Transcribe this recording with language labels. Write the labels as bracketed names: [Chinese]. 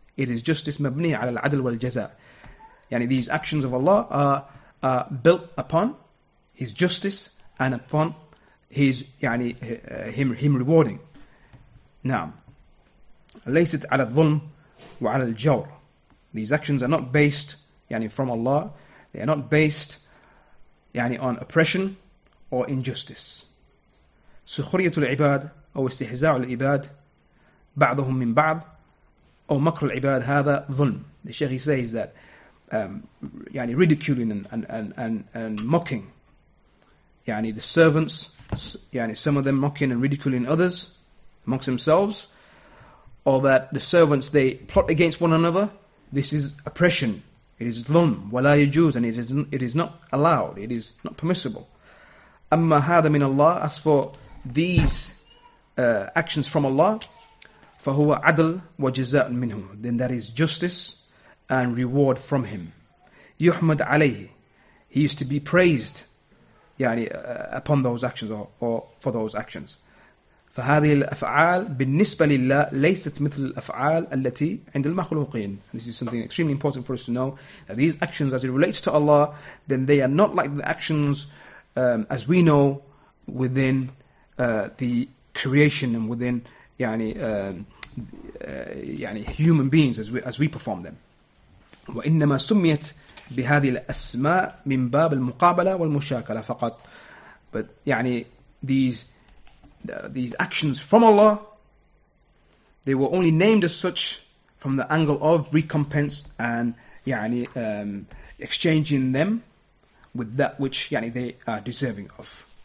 [English] It is justice [Arabic] مبنية على العدل والجزاء. [English] يعني these actions of Allah are built upon His justice and upon His يعني him rewarding. [Arabic] نعم. ليست على الظلم وعلى الجور. [English] These actions are not based يعني from Allah. They are not based يعني on oppression or injustice. [Arabic] سخرية العباد أو استهزاء العباد بعضهم من بعض أو مكر العباد هذا ظلم. [English] The Sheikh, he says that يعني ridiculing and mocking يعني the servants, يعني some of them mocking and ridiculing others amongst themselves, or that the servants they plot against one another, this is oppression. It is [Arabic] ظلم ولا يجوز, [English] and it is not allowed. It is not permissible. [Arabic] أما هذا من الله, [English] as for these actions from Allah, [Arabic] فهو عدل وجزاء منه, [English] then that is justice and reward from him. [Arabic] يحمد عليه, [English] he used to be praised يعني upon those actions or for those actions. [Arabic] فهذه الأفعال بالنسبة لله ليست مثل الأفعال التي عند المخلوقين. [English] This is something extremely important for us to know, that these actions as it relates to Allah, then they are not like the actions as we know within the creation and within يعني human beings as we perform them. [Arabic] وإنما سميت بهذه الأسماء من باب المقابلة والمشاكلة فقط. [English] But يعني these actions from Allah, they were only named as such from the angle of recompense and يعني exchanging them with that which يعني they are deserving of.